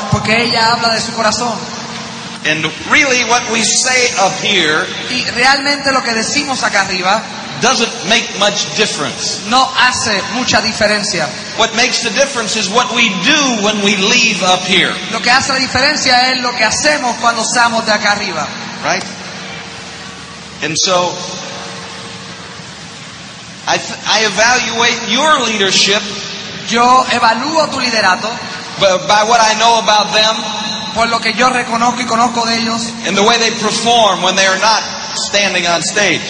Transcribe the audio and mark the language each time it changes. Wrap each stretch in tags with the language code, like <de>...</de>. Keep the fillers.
<es>Porque ella habla de su corazón.</es> <en>And really what we say up here</en> <es>y realmente lo que decimos acá arriba</es> <en>doesn't make much difference.</en> <es>No hace mucha diferencia.</es> <en>What makes the difference is what we do when we leave up here.</en> <es>Lo que hace la diferencia es lo que hacemos cuando salimos de acá arriba.</es> <en>Right? And so I, I evaluate your leadership</en> <es>yo evalúo tu liderato</es> <en>by, by what I know about them,</en> <es>por lo que yo reconozco y conozco de ellos</es> <en>and the way they perform when they are not standing on stage.</en>